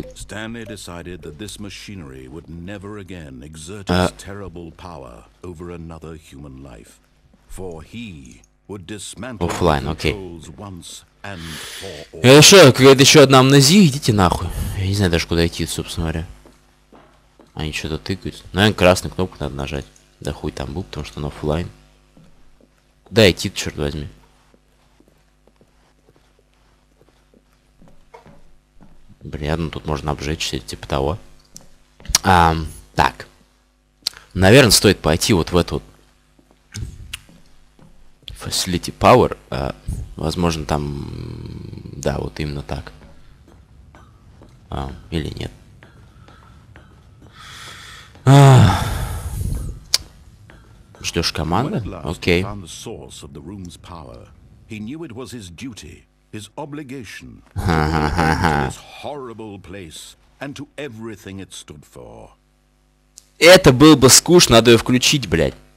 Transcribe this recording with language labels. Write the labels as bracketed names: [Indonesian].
[English] Stanley decided that this machinery would never again exert its terrible power over another human life. For he would dismantle offline, okay. Controls once and for all. [Russian] Хорошо, какая-то еще одна амнезия, идите нахуй. Я не знаю даже, куда идти, собственно говоря. Они что-то тыкают. Наверное, красную кнопку надо нажать. Да хуй там был, потому что он офлайн. Куда идти-то, черт возьми? Бля, ну тут можно обжечься, типа того. Так. Наверное, стоит пойти вот в эту вот... Facility Power. Возможно, там... Да, вот именно так. Или нет. Ждешь команды? Окей. Okay. [English] His obligation to this horrible place and to everything it stood for. [Russian] Это был бы скучно, надо её включить, блядь.